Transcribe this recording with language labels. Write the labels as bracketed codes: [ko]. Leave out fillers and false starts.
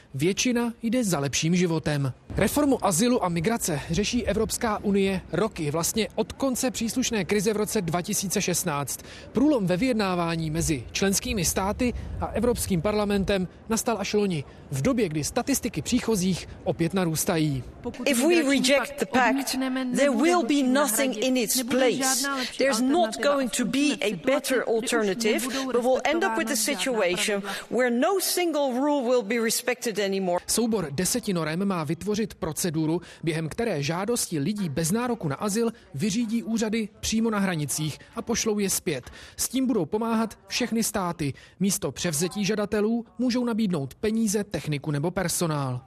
[cs] Většina jde za lepším životem. Reformu azylu a migrace řeší Evropská unie roky, vlastně od konce příslušné krize v roce 2016. Průlom ve vyjednávání mezi členskými státy a Evropským parlamentem nastal až loni, v době, kdy statistiky příchozích opět narůstají. [en] If we reject the pact, there will be nothing in its place. There's not going to be a better alternative, but we'll end up with a situation where no single rule will be respected anymore. [cs] Soubor 10 norem má vytvořit proceduru, během které žádosti lidí bez nároku na azyl vyřídí úřady přímo na hranicích a pošlou je zpět. S tím budou pomáhat všechny státy. Místo převzetí žadatelů můžou nabídnout peníze, techniku nebo personál.